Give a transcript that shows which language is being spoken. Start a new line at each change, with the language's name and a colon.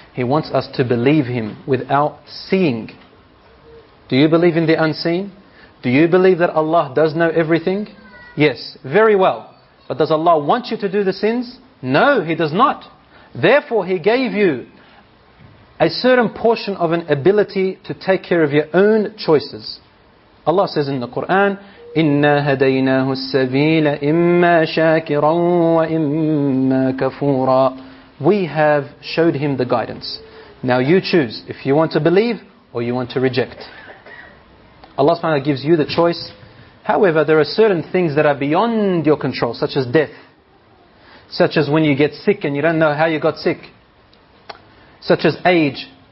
English: He wants us to believe Him without seeing. Do you believe in the unseen? Do you believe that Allah does know everything? Yes, very well. But does Allah want you to do the sins? No, He does not. Therefore, He gave you a certain portion of an ability to take care of your own choices. Allah says in the Quran,
Arabic: إِنَّا هَدَيْنَاهُ السَّبِيلَ إِمَّا شَاكِرًا وَإِمَّا كَفُورًا.
English: We have showed Him the guidance. Now you choose if you want to believe or you want to reject. Allah subhanahu wa ta'ala gives you the choice. However, there are certain things that are beyond your control, such as death. Such as when you get sick and you don't know how you got sick. Such as age.